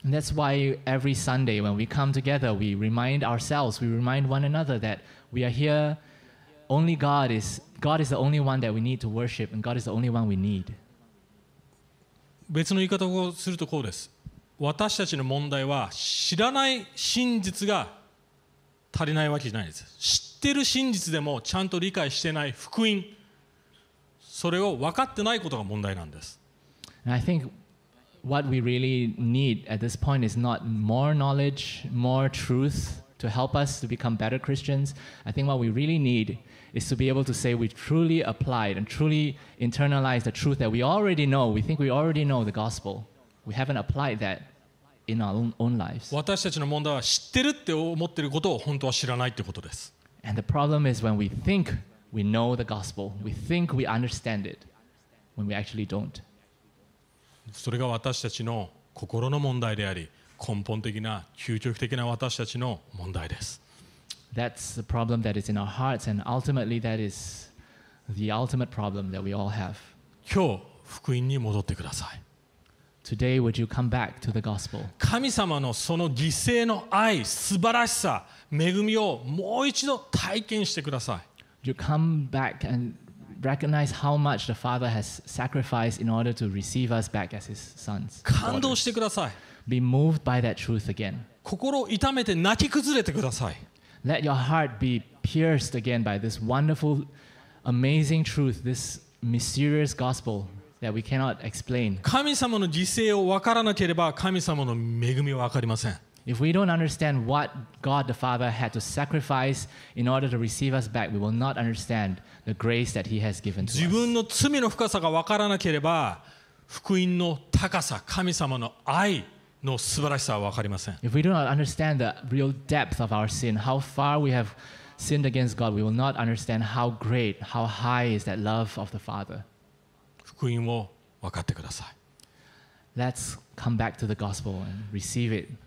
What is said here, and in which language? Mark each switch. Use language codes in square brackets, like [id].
[en] And that's why every Sunday when we come together, we remind ourselves, we remind one another that we are here. Only God is the only one that we need to worship, and God is the only one we need. [ja] 別の言い方をするとこうです。私たちの問題は知らない真実が足りないわけじゃないです。知ってる真実でもちゃんと理解してない福音。それを分かってないことが問題なんです。 [en] And I think what we really need at this point is not more knowledge, more truth to help us to become better Christians. I think what we really need is to be able to say we truly applied and truly internalized the truth that we already know. We think we already know the gospel. We haven't applied that in our own lives. [ja] 私たちの問題は知ってるって思ってることを本当は知らないってことです。 [en] And the problem is when we think we know the gospel. We think we understand it when we actually don't. [ja] それが私たちの心の問題であり、根本的な究極的な私たちの問題です。 [en] That's the problem that is in our hearts, and ultimately that is the ultimate problem that we all have. [ja] 今日福音に戻ってください。 [en] Today would you come back to the gospel? [ja] 神様のその犠牲の愛、素晴らしさ、恵みをもう一度体験してください。 [en] You come back and recognize how much the Father has sacrificed in order to receive us back as His sons. [ja] 感動してください。 [en] Be moved by that truth again. [ja] 心を痛めて泣き崩れてください。 [en] Let your heart be pierced again by this wonderful, amazing truth, this mysterious gospel that we cannot explain. [ja] 神様の犠牲を分からなければ神様の恵みは分かりません。 [en] If we don't understand what God the Father had to sacrifice in order to receive us back, we will not understand the grace that He has given to us. [ja] 自分の罪の深さが分からなければ福音の高さ、神様の愛の素晴らしさは分かりません。 [en] If we do not understand the real depth of our sin, how far we have sinned against God, we will not understand how great, how high is that love of the Father. [ja] 福音を分かってください。 [en] Let's come back to the gospel and receive it.